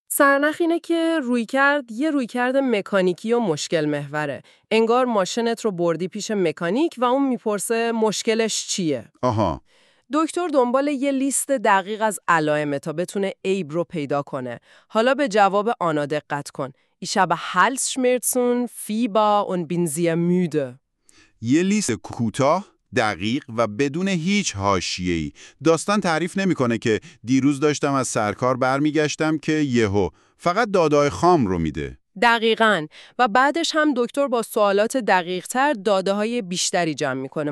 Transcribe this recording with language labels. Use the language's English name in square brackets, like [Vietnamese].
[Persian] سرنخ اینه که رویکرد یه رویکرد مکانیکی و مشکل محوره. انگار ماشینت رو بردی پیش مکانیک و اون میپرسه مشکلش چیه. آها، دکتر دنبال یه لیست دقیق از علائم تا بتونه عیب رو پیدا کنه. حالا به جواب آنا دقت کن. [German] Ich habe Halsschmerzen, Fieber und bin sehr müde. [Persian] یه لیست کوتاه، دقیق و بدون هیچ حاشیه‌ای. داستان تعریف نمی‌کنه که دیروز داشتم از سرکار برمیگشتم که یهو، فقط دادای خام رو میده. دقیقاً. و بعدش هم دکتر با سوالات دقیق‌تر داده‌های بیشتری جمع می‌کنه.